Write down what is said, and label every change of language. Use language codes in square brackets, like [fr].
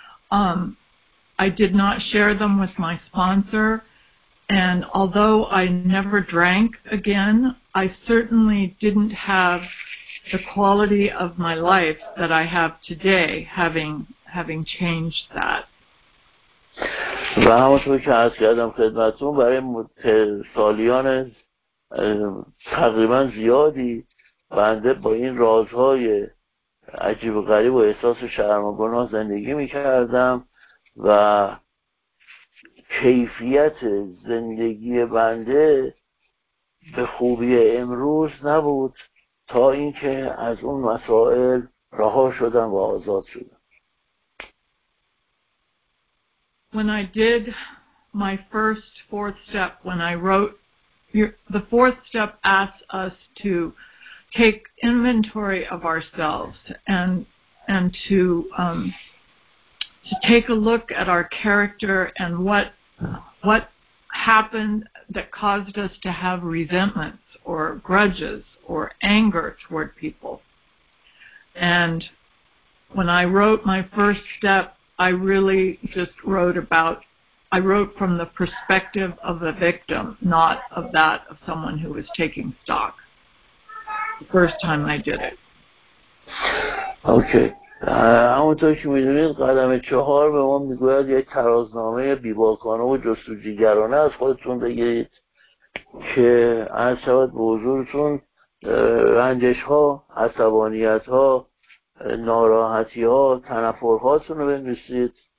[en] I did not share them with my sponsor. And although I never drank again, I certainly didn't have the quality of my life that I have today, having changed that. [fa] و همونطور که عرض کردم خدمتون، برای سالیان تقریبا زیادی بنده با این رازهای عجیب و غریب و احساس شرم و گناه زندگی میکردم و کیفیت زندگی بنده به خوبی امروز نبود تا اینکه از اون مسائل رها شدم و آزاد شدم. [en] When I did my first fourth step, when I wrote, the fourth step asks us to take inventory of ourselves and to take a look at our character and what happened that caused us to have resentments or grudges or anger toward people. And when I wrote my first step, I really just wrote from the perspective of a victim, not of that of someone who was taking stock. The first time I did it. Okay. [fa] همونطور که میدونید قدم چهار به ما میگوید یک ترازنامه بیباکانه و جستجوگرانه از خودتون بگیرید که عرض شود به حضورتون رنجش ها، عصبانیت ها، ناراحتی ها، تنفر هاتون رو بنویسید.